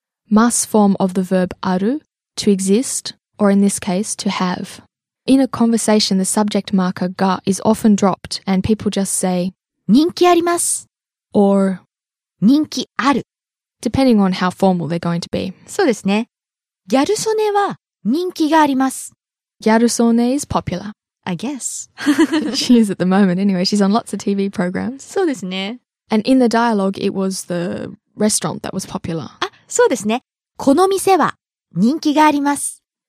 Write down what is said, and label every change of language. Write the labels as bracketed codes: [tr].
[en] Must form of the verb ある, to exist, or in this case, to have. In a conversation, the subject marker が is often dropped and people just say [ja] 人気あります [en] or [ja] 人気ある [en] depending on how formal they're going to be. [ja] そうですね。ギャルソネは人気があります。 [en] ギャルソネ is popular. I guess. She is at the moment anyway. She's on lots of TV programs. [ja] そうですね。 [en] And in the dialogue, it was the restaurant that was popular. [ja] あ、そうですね。この店は人気があります。